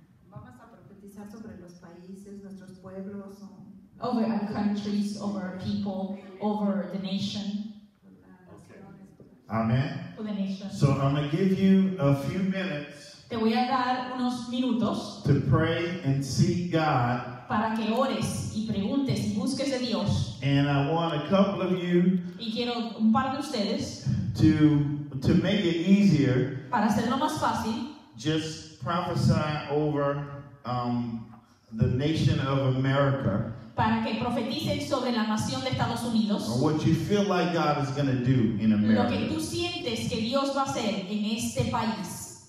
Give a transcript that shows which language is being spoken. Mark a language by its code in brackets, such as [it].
[es] Vamos a profetizar sobre los países, nuestros pueblos. [en] Over our countries, over our people, over the nation. Okay. Amen. For the nation. So I'm going to give you a few minutes. [es] Te voy a dar unos minutos. [en] To pray and seek God. [es] Para que ores y preguntes y busques a Dios. [en] And I want a couple of you. [es] Y quiero un par de ustedes. [en] To make it easier. [es] Para hacerlo más fácil. [en] Just prophesy over the nation of America. [es] Para que profeticen sobre la nación de Estados Unidos. [en] Or what you feel like God is going to do in America. [es] Lo que tú sientes que Dios va a hacer en este país.